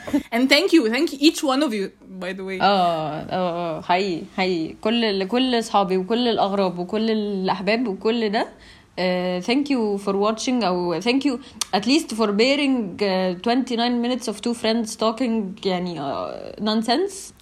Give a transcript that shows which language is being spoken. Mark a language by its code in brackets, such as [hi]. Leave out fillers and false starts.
[en] And thank you each one of you, by the way. Hi. [ar] كل صحابي وكل الأغراب وكل الأحباب وكل ده. [en] Thank you for watching. Or thank you at least for bearing 29 minutes of two friends talking يعني nonsense.